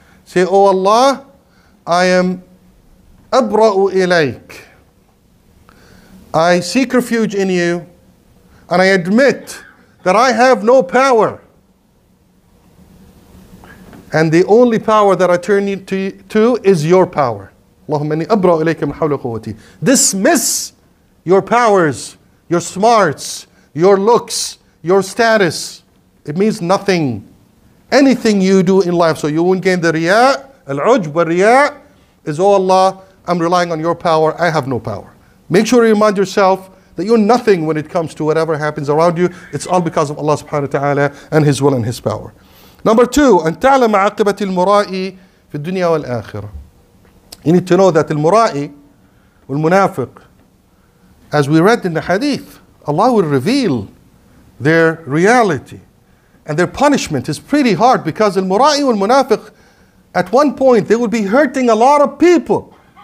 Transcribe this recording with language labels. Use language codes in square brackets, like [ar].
[en] Say, oh Allah, I am [ar] أبرأ إليك. [en] I seek refuge in you, and I admit that I have no power. And the only power that I turn you to is your power. [ar] اللهم إني أبرأ إليك من حول قوتي. [en] Dismiss your powers, your smarts, your looks, your status. It means nothing. Anything you do in life, so you won't gain the riya, al-ujb al-riya, is, oh Allah, I'm relying on your power, I have no power. Make sure you remind yourself that you're nothing when it comes to whatever happens around you. It's all because of Allah subhanahu wa ta'ala and His will and His power. [ar] Number two, أن تعلم عاقبة المرائي في الدنيا والآخرة. [en] You need to know that [ar] المرائي والمنافق, [en] as we read in the hadith, Allah will reveal their reality and their punishment is pretty hard, because المرائي والمنافق, at one point they will be hurting a lot of people.